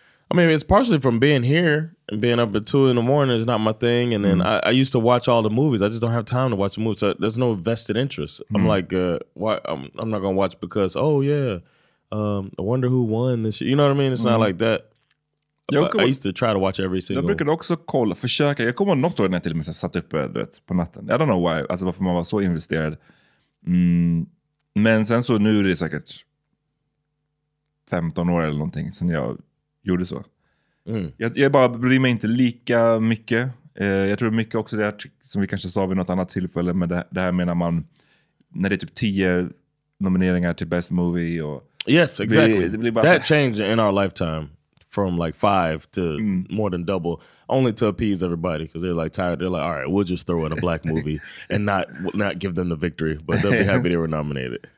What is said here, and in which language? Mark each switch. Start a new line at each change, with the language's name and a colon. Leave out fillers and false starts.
English: I mean, it's partially from being here and being up at 2 a.m. is not my thing. And then I used to watch all the movies. I just don't have time to watch the movies. So there's no vested interest. Mm. I'm like, I'm not going to watch because, I wonder who won this year. You know what I mean? It's not like that. I used to try to watch every single...
Swedish: Jag brukade också kolla, försöka. Jag kommer något år när jag till och med satt uppe på natten.
English: I don't know why.
Swedish: Alltså varför man var så investerad. Men sen så nu är det säkert 15 år eller någonting sen jag... gjorde så. Mm. Jag bara bryr mig inte lika mycket. Jag tror mycket också det här, som vi kanske sa vid något annat tillfälle, men det här menar man när det är typ 10 nomineringar till Best Movie. Och
English: yes, exactly.
Swedish: Det blir bara
English: that changed in our lifetime from like 5 to more than double, only to appease everybody because they're like tired. They're like, all right, we'll just throw in a black movie and not give them the victory, but they'll be happy they were nominated.